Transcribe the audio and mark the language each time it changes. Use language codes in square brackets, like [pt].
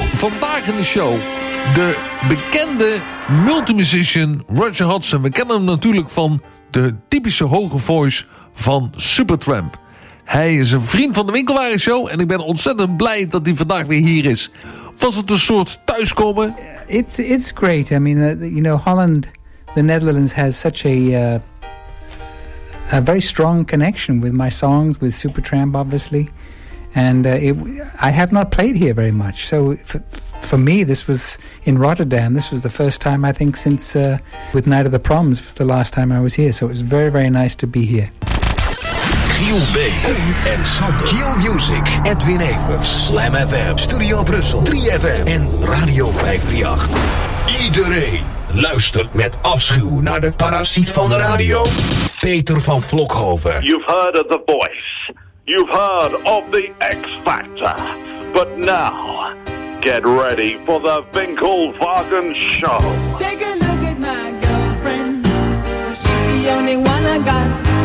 [nl] Vandaag in de show de bekende multimusician Roger Hodgson. We kennen hem natuurlijk van de typische hoge voice van Supertramp. Hij is een vriend van de Winkelwagenshow en ik ben ontzettend blij dat hij vandaag weer hier is. Was het een soort thuiskomen? [en] It's great. I mean, you know, Holland, the Netherlands has such a very strong connection with my songs, with Supertramp, obviously. And I have not played here very much. So for me, this was in Rotterdam. This was the first time, I think, since with Night of the Proms was the last time I was here. So it was very, very nice to be here. [nl] Giel B. En Sander. Giel Music. Edwin Evers. Slam FM. Studio Brussel. 3FM. En Radio 538. Iedereen luistert met afschuw naar de parasiet van de radio. Peter van Vlokhoven. [en] You've heard of The Voice. You've heard of The X Factor. But now, get ready for The Winkelwagen Show. Take a look at my girlfriend. She's the only one I got.